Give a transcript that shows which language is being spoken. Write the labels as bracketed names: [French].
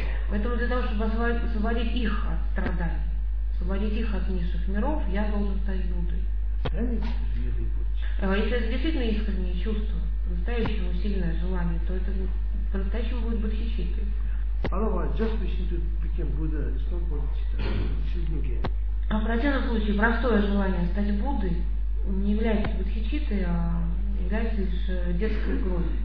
[Russian] Поэтому для того, чтобы освободить их от страданий, освободить их от низших миров, я должен стать Буддой. Если это действительно искреннее чувство, по-настоящему сильное желание, то это по-настоящему будет бодхичиттой. [English] Otherwise, just wishing to become Buddha is not bodhicitta, it's thinking game. [Russian] А в противном случае простое желание стать Буддой не является бодхичиттой, а является лишь детской игрой.